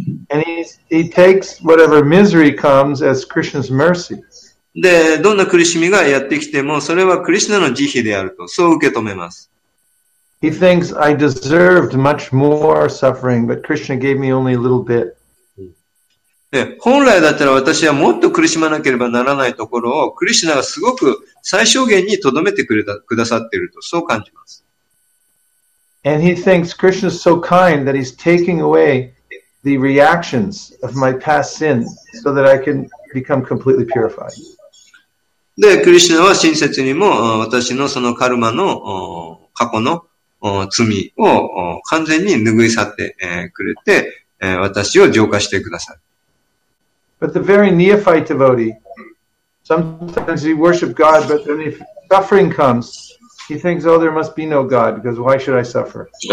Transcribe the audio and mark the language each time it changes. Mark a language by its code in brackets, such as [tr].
[en] And he takes whatever misery comes as Krishna's mercy. [ja] で、どんな苦しみがやってきても、それはクリシナの慈悲であるとそう受け止めます。 [en] He thinks I deserved much more suffering, but Krishna gave me only a little bit. [ja] で、本来だったら私はもっと苦しまなければならないところを、クリシナがすごく最小限にとどめてくださっているとそう感じます。 [en] And he thinks Krishna is so kind that he's taking away the reactions of my past sin so that I can become completely purified. [ja] で、クリシナは親切にも私のそのカルマの過去の罪を完全に拭い去ってくれて、私を浄化してくださる。 [en] But the very neophyte devotee, sometimes he worships God, but then if suffering comes, he thinks, oh, there must be no God, because why should I suffer?